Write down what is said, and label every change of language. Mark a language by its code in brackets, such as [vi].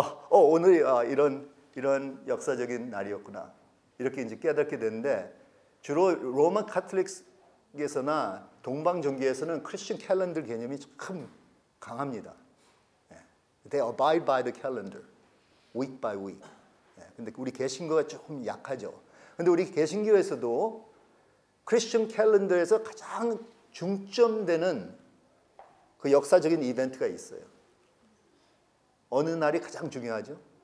[ko] 오늘이 이런 역사적인 날이었구나. 이렇게 이제 깨닫게 되는데 주로 로마 카톨릭에서나 동방정교에서는 크리스천 캘린더 개념이 참 강합니다. [en] They abide by the calendar, week by week. [ko] 근데 우리 개신교가 좀 약하죠. 근데 우리 개신교에서도 크리스천 캘린더에서 가장 중점되는 그 역사적인 이벤트가 있어요. 어느 날이 가장 중요하죠?